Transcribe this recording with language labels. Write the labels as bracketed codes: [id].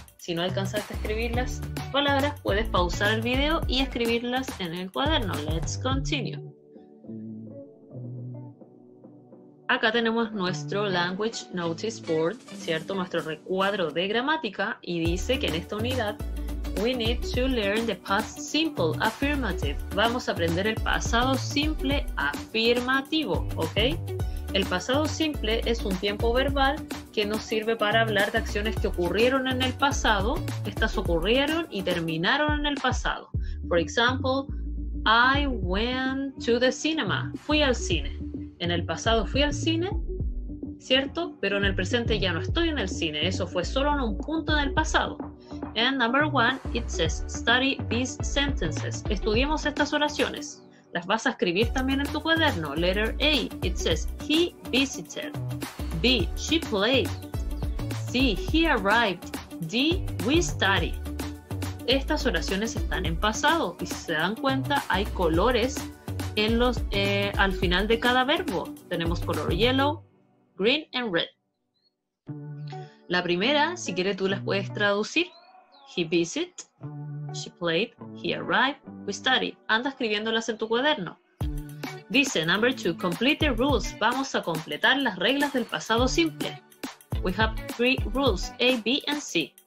[es] Si no alcanzaste a escribirlas, palabras, puedes pausar el video y escribirlas en el cuaderno. [en] Let's continue. [es] Acá tenemos nuestro Language Notice Board, ¿cierto? Nuestro recuadro de gramática, y dice que en esta unidad [en] we need to learn the past simple affirmative. [es] Vamos a aprender el pasado simple afirmativo, ¿ok? El pasado simple es un tiempo verbal que nos sirve para hablar de acciones que ocurrieron en el pasado. Estas ocurrieron y terminaron en el pasado. [en] For example, I went to the cinema. [es] Fui al cine. En el pasado fui al cine, ¿cierto? Pero en el presente ya no estoy en el cine. Eso fue solo en un punto en el pasado. [en] And number one, it says, study these sentences. [es] Estudiemos estas oraciones. Las vas a escribir también en tu cuaderno. [en] Letter A, it says, he visited. B, she played. C, he arrived. D, we studied. [es] Estas oraciones están en pasado. Y si se dan cuenta, hay colores en los, al final de cada verbo. Tenemos color [en] yellow, green and red. [es] La primera, si quieres tú las puedes traducir. [en] He visited. She played, he arrived, we studied. [es] Anda escribiéndolas en tu cuaderno. [en] Dice, number two, complete the rules. [es] Vamos a completar las reglas del pasado simple. [en] We have three rules, A, B, and C.